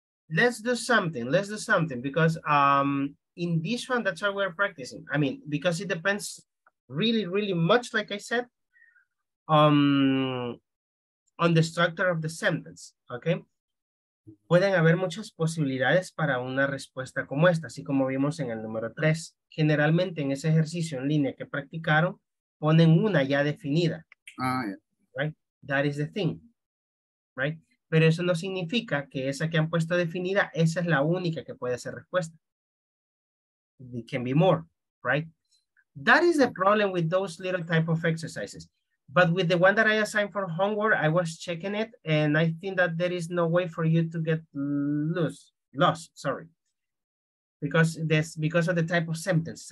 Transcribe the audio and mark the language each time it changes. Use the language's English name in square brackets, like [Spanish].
[English] Let's do something because in this one, that's why we're practicing. I mean, because it depends really, really much, like I said, on the structure of the sentence, okay? [Spanish] Pueden haber muchas posibilidades para una respuesta como esta, así como vimos en el número 3. Generalmente en ese ejercicio en línea que practicaron, ponen una ya definida. Right? [English] That is the thing, right? [Spanish] Pero eso no significa que esa que han puesto definida, esa es la única que puede ser respuesta. [English] It can be more, right? That is the problem with those little type of exercises. But with the one that I assigned for homework, I was checking it, and I think that there is no way for you to get lost, because of the type of sentence.